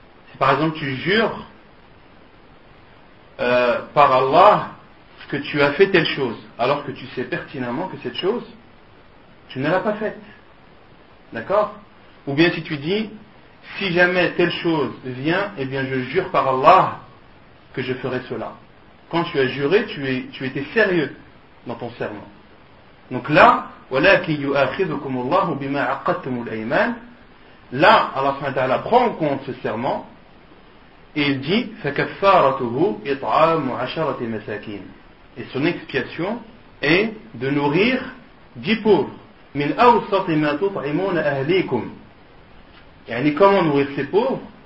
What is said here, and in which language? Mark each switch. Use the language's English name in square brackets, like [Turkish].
[French] Si par exemple tu jures par Allah que tu as fait telle chose alors que tu sais pertinemment que cette chose tu ne l'as pas faite, d'accord? Ou bien si tu dis si jamais telle chose vient, eh bien je jure par Allah que je ferai cela. Quand tu as juré, tu étais sérieux dans ton serment. Donc là, [Arabic] وَلَكِنْ يُؤَخِذُكُمُ اللَّهُ بِمَا عَقَدْتُمُ الْأَيْمَانِ. [French] Là, Allah subhanahu wa ta'ala prend en compte ce serment et il dit [Arabic] فَكَفَّارَتُهُ إِطْعَامُ عَشَرَةِ مَسَاكِينَ. [French] Et son expiation est de nourrir 10 pauvres. [Arabic] مِنْ أَوْسَطِ مَا تُطْعِمُونَ أَهْلِيكُمْ. Yani, [French] comment nourrir ces pauvres?